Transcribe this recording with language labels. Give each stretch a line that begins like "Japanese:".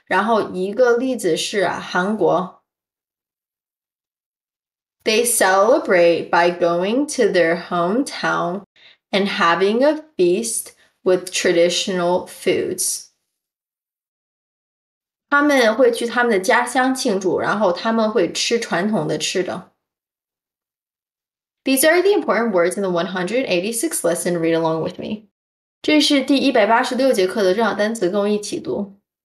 Chinese: 这些主要是东亚的国家，然后一个例子是韩国.
English: They celebrate by going to their hometown and having a feast with traditional foods.
Chinese: 他们会去他们的家乡庆祝，然后他们会吃传统的吃的.
English: These are the important words in the 186th lesson. Read along with me.
Chinese: 这是第186节课的重要单词，跟我一起读.